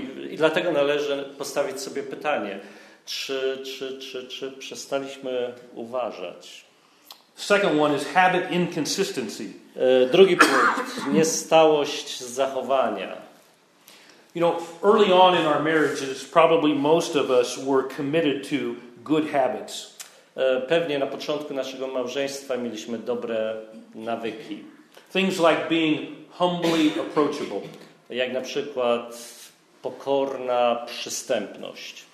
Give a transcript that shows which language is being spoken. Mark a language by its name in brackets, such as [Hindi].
[Polish] I dlatego należy postawić sobie pytanie, czy przestaliśmy uważać? [English] Second one is habit inconsistency. [Polish] Drugi punkt, niestałość zachowania. [English] You know, early on in our marriages, probably most of us were committed to good habits. [Polish] Pewnie na początku naszego małżeństwa mieliśmy dobre nawyki. [English] Things like being humbly approachable. [Polish] Jak na przykład pokorna przystępność.